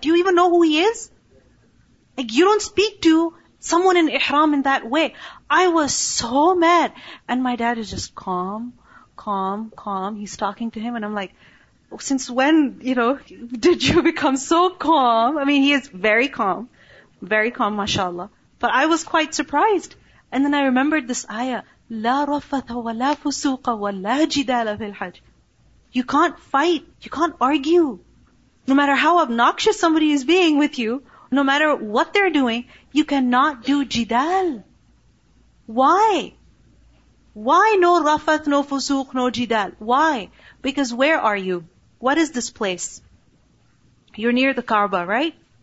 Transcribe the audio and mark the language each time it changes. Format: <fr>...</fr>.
<en>Do you even know who he is? Like, you don't speak to someone in ihram in that way. I was so mad. And my dad is just calm. He's talking to him and I'm like, since when, you know, did you become so calm? I mean, he is very calm, mashallah. But I was quite surprised. And then I remembered this ayah,</en> <ar>لا رفث ولا فسوق ولا جدال في الحج.</ar> <en>You can't fight, you can't argue. No matter how obnoxious somebody is being with you, no matter what they're doing, you cannot do jidal. Why? Why no rafath, no fusuq, no jidal? Why? Because where are you? What is this place? You're near the Kaaba, right?</en>